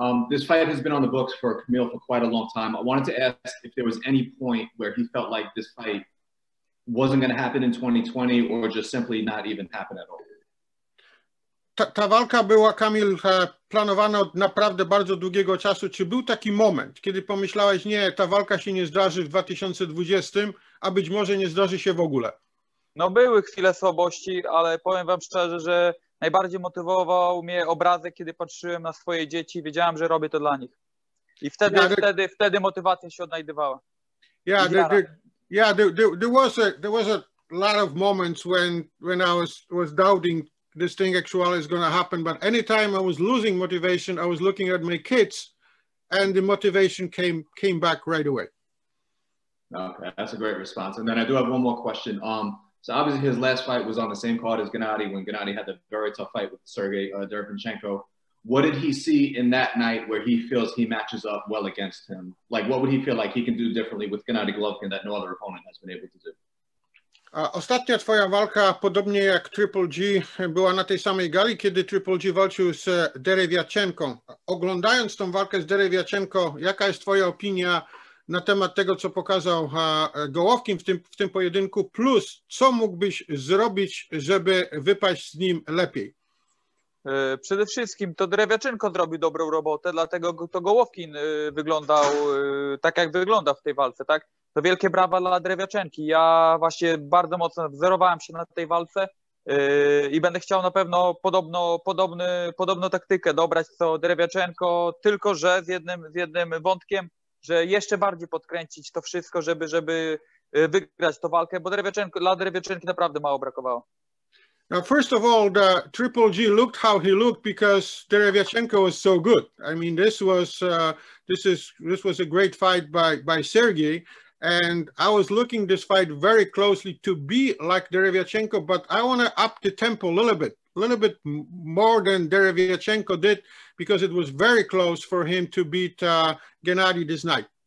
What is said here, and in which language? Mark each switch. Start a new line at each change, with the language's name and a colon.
English: This fight has been on the books for Kamil for quite a long time. I wanted to ask if there was any point where he felt like this fight wasn't going to happen in 2020 or just simply not even happen at all.
Polish: Ta walka była, Kamil, planowana od naprawdę bardzo długiego czasu. Czy był taki moment, kiedy pomyślałeś, nie, ta walka się nie zdarzy w 2020, a być może nie zdarzy się w ogóle? No były chwile słabości, ale powiem wam szczerze, że najbardziej motywował mnie obrazek, kiedy patrzyłem na swoje dzieci, wiedziałem, że robię to dla nich. I wtedy, wtedy motywacja się odnajdywała.
English: There was a lot of moments when I was doubting this thing actually is gonna happen, but anytime I was losing motivation, I was looking at my kids and the motivation came back right away. Okay, that's a great response. And then I do have one more question. So obviously his last fight was on the same card as Gennady when Gennady had the very tough fight with Sergey Derevyanchenko. What did he see in that night where he feels he matches up well against him? Like, what would he feel like he can do differently with Gennady Golovkin that no other opponent has been able to do?
Polish: Ostatnia twoja walka, podobnie jak Triple G, była na tej samej gali, kiedy Triple G walczył z Derevyanchenko. Oglądając tą walkę z Derevyanchenko, jaka jest twoja opinia na temat tego, co pokazał Golovkin w tym pojedynku, plus co mógłbyś zrobić, żeby wypaść z nim lepiej? Przede wszystkim to Derevyanchenko zrobił dobrą robotę, dlatego to Golovkin wyglądał tak, jak wygląda w tej walce, tak? To wielkie brawa dla Derevyanchenki. Ja właśnie bardzo mocno wzorowałem się na tej walce i będę chciał na pewno podobną taktykę dobrać co Derevyanchenko, tylko że z jednym wątkiem, że jeszcze bardziej podkręcić to wszystko, żeby wygrać tę walkę, bo dla Derevyanchenki naprawdę mało brakowało.
English: Now, first of all, the Triple G looked how he looked because Derevyanchenko was so good. I mean, this was a great fight by Sergey, and I was looking this fight very closely to be like Derevyanchenko, but I want to up the tempo a little bit more than Derevyanchenko did, because it was very close for him to beat Gennady this night.